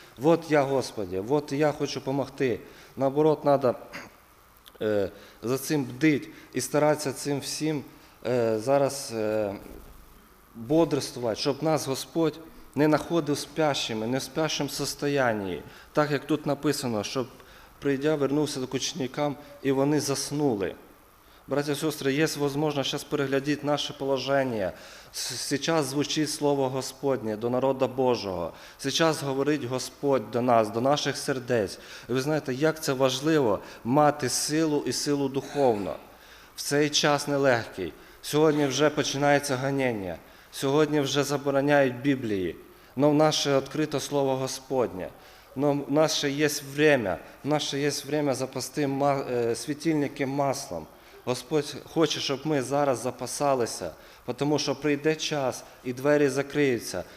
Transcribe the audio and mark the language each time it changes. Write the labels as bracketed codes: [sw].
[uk] От я, Господи, от я хочу допомогти. Наоборот, треба за цим бдить і старатися цим всім зараз бодрствувати, щоб нас Господь не знаходив спящими, не в спящому состоянии. Так, як тут написано, щоб прийдя, вернувся до ученикам, і вони заснули. [ru] Братья и сестры, есть возможность сейчас переглядеть наше положение. Сейчас звучит Слово Господне до народа Божого. Сейчас говорит Господь до нас, до наших сердец. И вы знаете, как это [uk] важливо мати [ru] силу и силу духовно. [uk] В цей час нелегкий. Сьогодні вже починається ганіння. Сьогодні вже забороняють Біблії. Но в нас ще відкрите Слово Господнє. Но в нас ще є время. В нас ще є время запасти світильники маслом. Господь хоче, щоб ми зараз запасалися, тому що прийде час, і двері закриються.